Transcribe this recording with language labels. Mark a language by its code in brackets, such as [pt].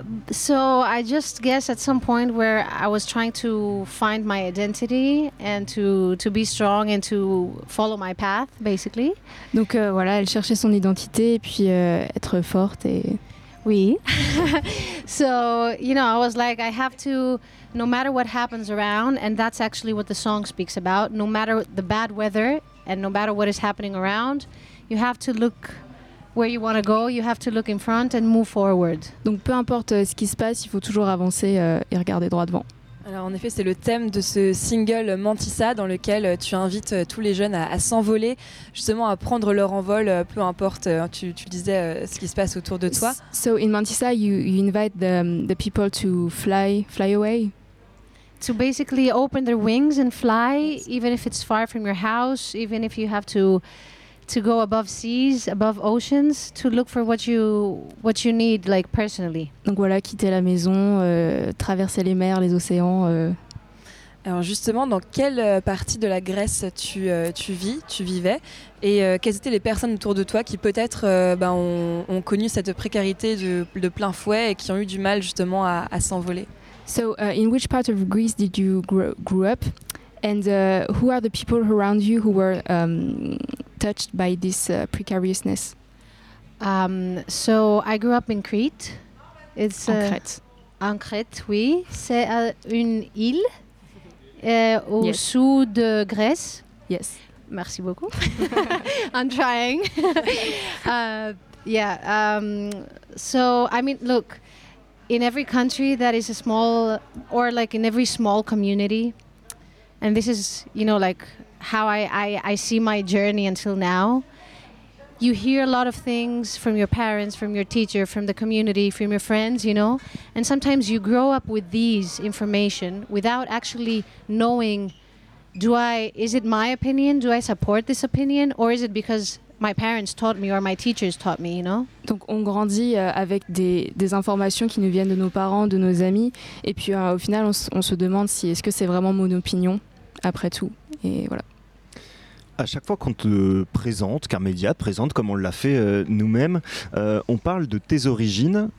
[en] So I just guess at some point where I was trying to find my identity and to be strong and to follow my path basically. [fr] Donc voilà, elle cherchait son identité et puis être forte et oui. [en] So, you know, I was like, I have to, no matter what happens around, and that's actually what the song speaks about, no matter the bad weather and no matter what is happening around, you have to look where you want to go, you have to look in front and move forward. [fr] Donc peu importe ce qui se passe, il faut toujours avancer et regarder droit devant. Alors en effet, c'est le thème de ce single Mantissa dans lequel tu invites tous les jeunes à s'envoler, justement à prendre leur envol, peu importe, tu disais, ce qui se passe autour de toi. [en] So in Mantissa, you invite the people to fly away. To basically open their wings and fly, even if it's far from your house, even if you have to go above seas, above oceans, to look for what you need, like personally. [fr] Donc voilà, quitter la maison, traverser les mers, les océans. Alors justement, dans quelle partie de la Grèce tu vis, tu vivais, et quelles étaient les personnes autour de toi qui peut-être ont connu cette précarité de plein fouet et qui ont eu du mal justement à s'envoler. [en] So, in which part of Greece did you grow up? And who are the people around you who were touched by this precariousness? So I grew up in Crete. It's [fr] en Crète. En Crète, oui. C'est une île au yes. Sud de Grèce. [en] Yes. Merci beaucoup. I'm trying. yeah. So I mean, look, in every country that is a small, or like in every small community. And this is, you know, like how I see my journey until now. You hear a lot of things from your parents, from your teacher, from the community, from your friends, you know. And sometimes you grow up with these information without actually knowing, is it my opinion? Do I support this opinion? Or is it because my parents taught me or my teachers taught me, you know? [fr] Donc on grandit avec des informations qui nous viennent de nos parents, de nos amis. Et puis au final, on se demande si est-ce que c'est vraiment mon opinion? Après tout, et voilà. À chaque fois qu'on te présente, qu'un média te présente, comme on l'a fait nous-mêmes, on parle de tes origines.